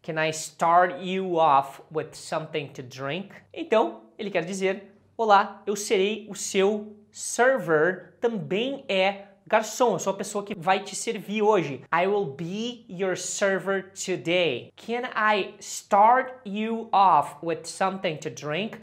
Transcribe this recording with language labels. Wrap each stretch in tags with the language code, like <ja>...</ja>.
<en>Can I start you off with something to drink?</en> <pt>Então, ele quer dizer, olá, eu serei o seu server, também é garçom, eu sou a pessoa que vai te servir hoje.</pt> <en>I will be your server today. Can I start you off with something to drink?</en>